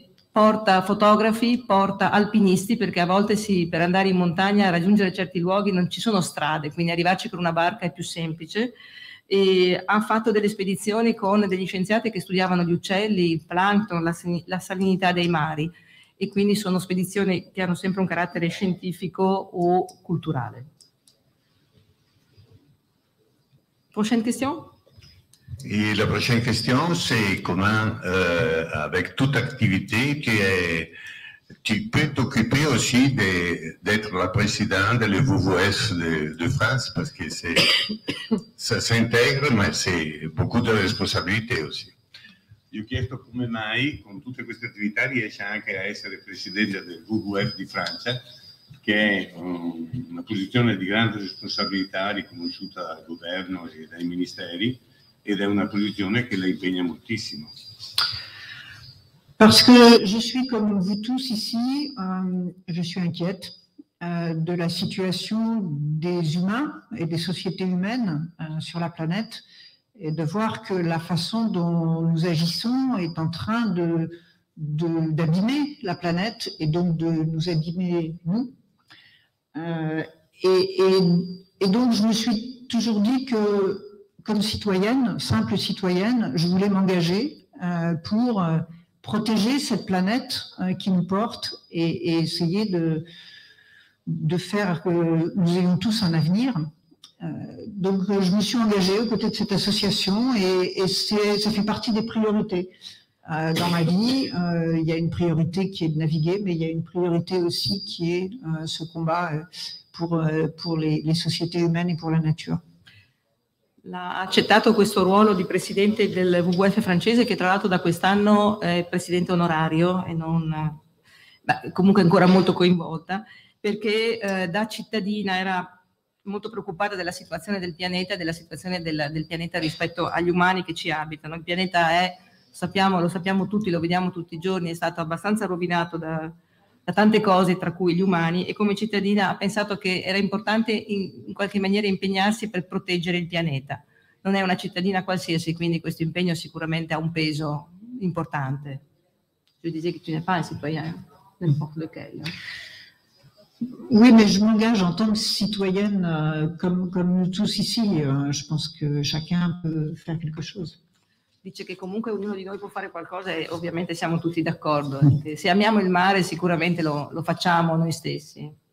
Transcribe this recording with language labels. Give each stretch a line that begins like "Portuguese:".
Italian: Porta fotografi, porta alpinisti, perché a volte per andare in montagna, a raggiungere certi luoghi, non ci sono strade, quindi arrivarci con una barca è più semplice. E ha fatto delle spedizioni con degli scienziati che studiavano gli uccelli, il plancton, la salinità dei mari, e quindi sono spedizioni che hanno sempre un carattere scientifico o culturale.
French: Prochaine question? Et la prochaine question c'est comment avec toute activité qui est Tu peux t'occuper aussi d'être la présidente de la VVS de France, parce que c'est, ça s'intègre, mais c'est beaucoup de responsabilités aussi.
Italian: Gli ho chiesto come mai, con tutte queste attività, riesce anche a essere presidente del WWF di Francia, che è una posizione di grande responsabilità riconosciuta dal governo e dai ministeri, ed è una posizione che la impegna moltissimo.
French: Parce que je suis comme vous tous ici, je suis inquiète de la situation des humains et des sociétés humaines sur la planète, et de voir que la façon dont nous agissons est en train d'abîmer la planète et donc de nous abîmer nous. Donc je me suis toujours dit que comme citoyenne, simple citoyenne, je voulais m'engager pour protéger cette planète qui nous porte et essayer de faire que nous ayons tous un avenir. Donc je me suis engagée aux côtés de cette association et ça fait partie des priorités dans ma vie. Il y a une priorité qui est de naviguer, mais il y a une priorité aussi qui est ce combat pour les sociétés humaines et pour la nature.
Italian: L'ha accettato questo ruolo di presidente del WWF francese, che tra l'altro da quest'anno è presidente onorario e non, beh, comunque ancora molto coinvolta, perché da cittadina era molto preoccupata della situazione del pianeta, della situazione del pianeta rispetto agli umani che ci abitano. Il pianeta è, lo sappiamo tutti, lo vediamo tutti i giorni, è stato abbastanza rovinato da tante cose, tra cui gli umani, e come cittadina ha pensato che era importante in qualche maniera impegnarsi per proteggere il pianeta. Non è una cittadina qualsiasi, quindi questo impegno sicuramente ha un peso importante. Tu dici che
French: tu ne fai, citoyenne, n'importe lequel. Oui, mais je m'engage en tant que citoyenne, comme nous tous ici. Je pense que chacun peut faire quelque chose.
Italian: Dice che comunque ognuno di noi può fare qualcosa e ovviamente siamo tutti d'accordo. Se amiamo il mare sicuramente lo facciamo noi stessi.